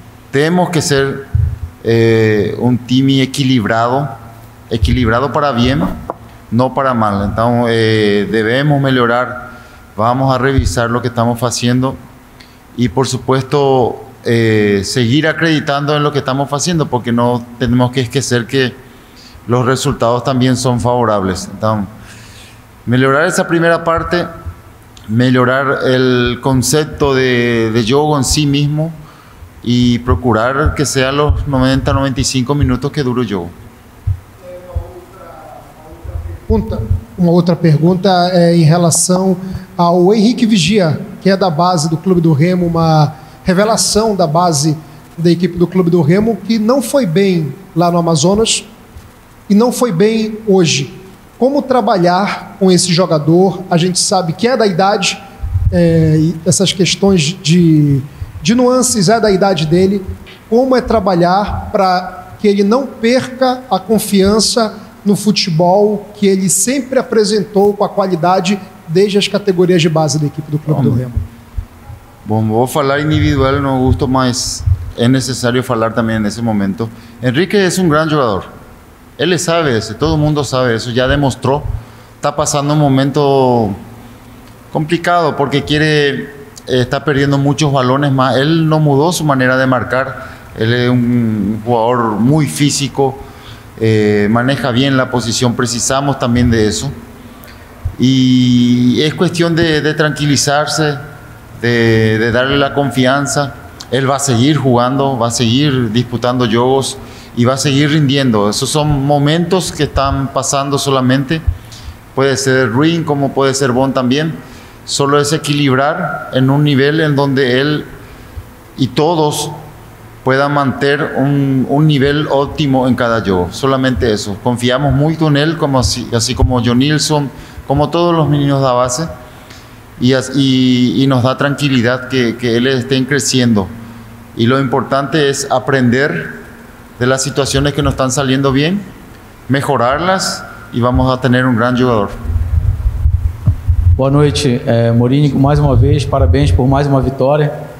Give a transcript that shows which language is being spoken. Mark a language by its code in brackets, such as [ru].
[pt] Temos que ser um time equilibrado para bem, não para mal. Então, devemos melhorar. [es] Vamos a revisar lo que estamos haciendo y, por supuesto, seguir acreditando en lo que estamos haciendo, porque no tenemos que esquecer que los resultados también son favorables. Entonces, mejorar esa primera parte, mejorar el concepto de juego en sí mismo y procurar que sea los 90-95 minutos que dure el juego. [pt] Uma outra pergunta é em relação ao Henrique Vigia, que é da base do Clube do Remo, uma revelação da base da equipe do Clube do Remo, que não foi bem lá no Amazonas e não foi bem hoje. Como trabalhar com esse jogador? A gente sabe que é da idade, essas questões de nuances é da idade dele. Como é trabalhar para que ele não perca a confiança no futebol que ele sempre apresentou com a qualidade desde as categorias de base da equipe do Clube do Remo? Bom, vou falar individual, não gosto, mas é necessário falar também nesse momento. Henrique é um grande jogador. Ele sabe isso, todo mundo sabe isso, já demonstrou. Está passando um momento [es] Complicado, porque quiere está perdiendo muchos balones más. Él no mudó su manera de marcar. Él es un jugador muy físico, maneja bien la posición. Precisamos también de eso. Y es cuestión de tranquilizarse, de darle la confianza. Él va a seguir jugando, va a seguir disputando juegos y va a seguir rindiendo. Esos son momentos que están pasando solamente. Puede ser Ruin, como puede ser Bond también. Solo es equilibrar en un nivel en donde él y todos puedan mantener un nivel óptimo en cada juego. Solamente eso. Confiamos mucho en él, como así como John Nilsson, como todos los niños de base. Y nos da tranquilidad que él esté creciendo. Y lo importante es aprender de las situaciones que nos están saliendo bien, mejorarlas y vamos a tener un gran jugador. [pt] Boa noite, Mourinho, mais uma vez, parabéns por mais uma vitória.